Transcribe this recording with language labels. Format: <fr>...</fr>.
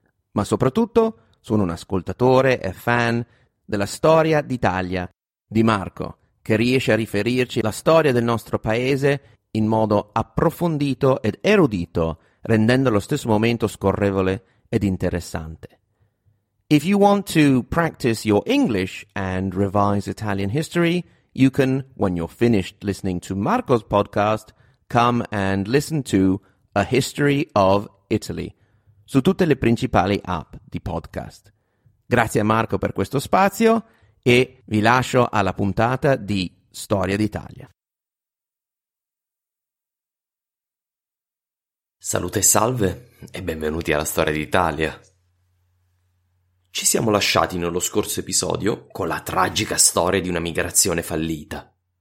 <it>Ma soprattutto sono un ascoltatore e fan della storia d'Italia di Marco, che riesce a riferirci la storia del nostro paese in modo approfondito ed erudito, rendendo lo stesso momento scorrevole ed interessante.</it> <en>If you want to practice your English and revise Italian history, you can, when you're finished listening to Marco's podcast, come and listen to A History of Italy</en> <it>su tutte le principali app di podcast. Grazie a Marco per questo spazio e vi lascio alla puntata di Storia d'Italia. Salute e salve e benvenuti alla Storia d'Italia. Ci siamo lasciati nello scorso episodio con la tragica storia di una migrazione fallita.</it>